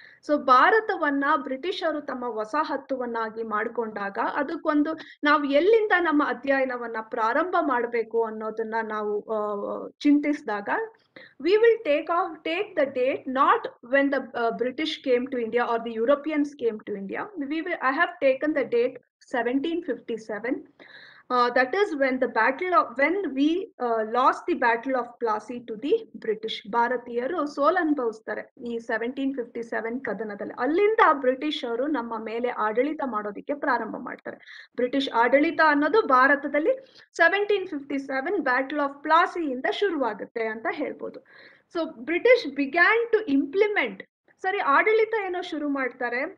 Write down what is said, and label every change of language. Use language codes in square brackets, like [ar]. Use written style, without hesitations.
[kn] So ಭಾರತವನ್ನ ಬ್ರಿಟಿಷರು ತಮ್ಮ ವಸಾಹತುವನ್ನಾಗಿ ಮಾಡಿಕೊಂಡಾಗ ಅದಕ್ಕೊಂದು ನಾವು ಎಲ್ಲಿಂದ ನಮ್ಮ ಅಧ್ಯಯನವನ್ನ ಪ್ರಾರಂಭ ಮಾಡಬೇಕು ಅನ್ನೋದನ್ನ ನಾವು ಚಿಂತಿಸಿದಾಗ [en] we will take the date not when the British came to India [kn] R the Europeans came to India. [en] I have taken the date 1757. That is when we lost the Battle of Plassey to the British. [kn] ಭಾರತೀಯರು ಸೋಲ್ ಅನುಭವಿಸ್ತಾರೆ ಈ 1757 ಕದನದಲ್ಲಿ. ಅಲ್ಲಿಂದ ಬ್ರಿಟಿಷರು ನಮ್ಮ ಮೇಲೆ ಆಡಳಿತ ಮಾಡೋದಕ್ಕೆ ಪ್ರಾರಂಭ ಮಾಡ್ತಾರೆ. ಬ್ರಿಟಿಷ್ ಆಡಳಿತ ಅನ್ನೋದು ಭಾರತದಲ್ಲಿ 1757 Battle of Plassey ಇಂದ ಶುರುವಾಗುತ್ತೆ ಅಂತ ಹೇಳ್ಬೋದು. [en] so British began to implement [kn] ಸರಿ ಆಡಳಿತ ಏನೋ ಶುರು ಮಾಡ್ತಾರೆ.